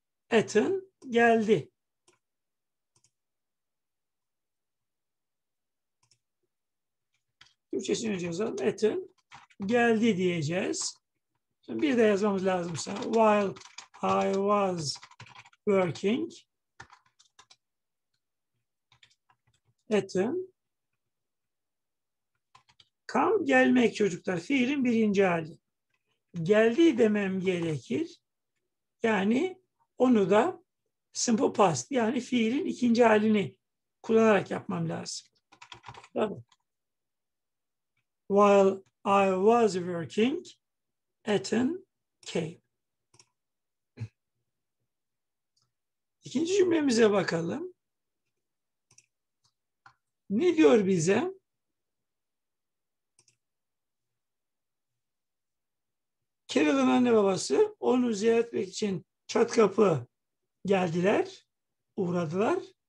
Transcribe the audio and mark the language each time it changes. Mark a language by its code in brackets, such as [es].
[tr] Ethan geldi. Türkçesini yazalım. Ethan geldi diyeceğiz. Şimdi bir de yazmamız lazımsa. [en] While I was working, Ethan come, [tr] gelmek çocuklar. Fiilin birinci hali. Geldi demem gerekir. Yani onu da simple past, yani fiilin ikinci halini kullanarak yapmam lazım. Tamam. [en] While I was working, Ethan came. [tr] İkinci cümlemize bakalım. Ne diyor bize? Carol'ın anne babası onu ziyaret etmek için çat kapı geldiler, uğradılar.